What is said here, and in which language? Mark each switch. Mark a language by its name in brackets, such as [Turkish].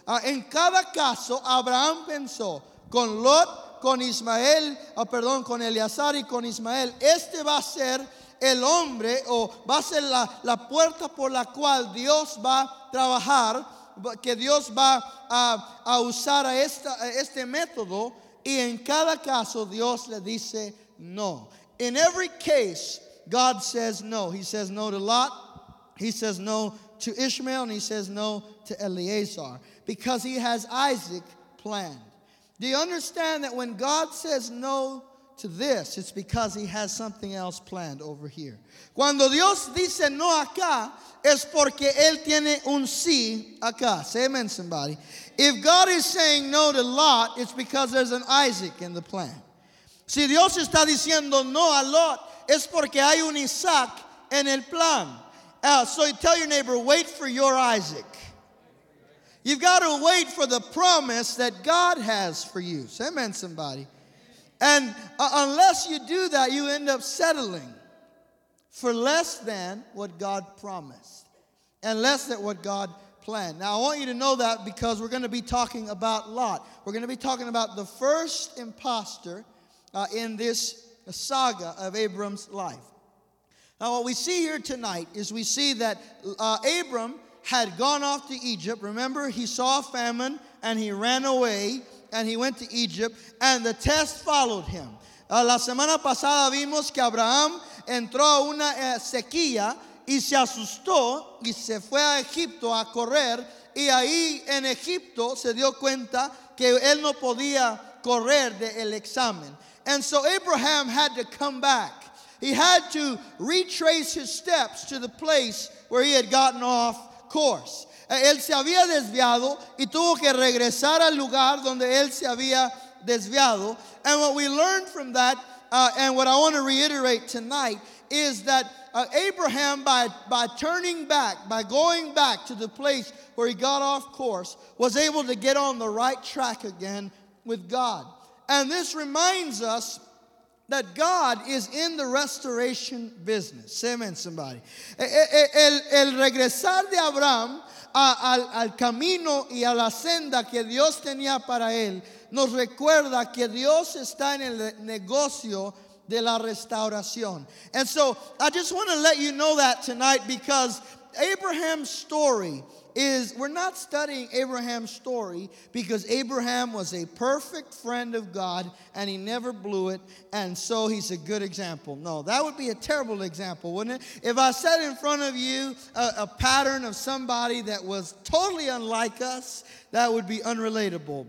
[Spanish] En cada caso, Abraham pensó, con Lot, con Ismael, con Eleazar y con Ismael, este va a ser el hombre, o va a ser la puerta por la cual Dios va a trabajar, que Dios va a usar este método. Y en cada caso, Dios le dice no. [English] In every case, God says no. He says no to Lot, he says no to Ishmael, and he says no to Eleazar, because he has Isaac planned. Do you understand that when God says no to this, it's because he has something else planned over here? [Spanish] Cuando Dios dice no acá, es porque él tiene un sí acá. [English] Say amen, somebody. If God is saying no to Lot, it's because there's an Isaac in the plan. [Spanish] Si Dios está diciendo no a Lot, es porque hay un Isaac en el plan. [English] So you tell your neighbor, wait for your Isaac. You've got to wait for the promise that God has for you. Say amen, somebody. And unless you do that, you end up settling for less than what God promised and less than what God planned. Now, I want you to know that because we're going to be talking about Lot. We're going to be talking about the first imposter in this saga of Abram's life. Now, what we see here tonight is we see that Abram had gone off to Egypt. Remember, he saw a famine, and he ran away, and he went to Egypt, and the test followed him. [Spanish] La semana pasada vimos que Abraham entró a una sequía, y se asustó, y se fue a Egipto a correr, y ahí en Egipto se dio cuenta que él no podía correr del examen. [English] And so Abraham had to come back. He had to retrace his steps to the place where he had gotten off course. [Spanish] Él se había desviado y tuvo que regresar al lugar donde él se había desviado. [English] And what we learned from that, and what I want to reiterate tonight, is that Abraham, by turning back, by going back to the place where he got off course, was able to get on the right track again with God. And this reminds us that God is in the restoration business. Say amen, somebody. [Spanish] El regresar de Abraham al camino y a la senda que Dios tenía para él nos recuerda que Dios está en el negocio de la restauración. [English] And so I just want to let you know that tonight, because Abraham's story is, we're not studying Abraham's story because Abraham was a perfect friend of God and he never blew it, and so he's a good example. No, that would be a terrible example, wouldn't it? If I set in front of you a pattern of somebody that was totally unlike us, that would be unrelatable.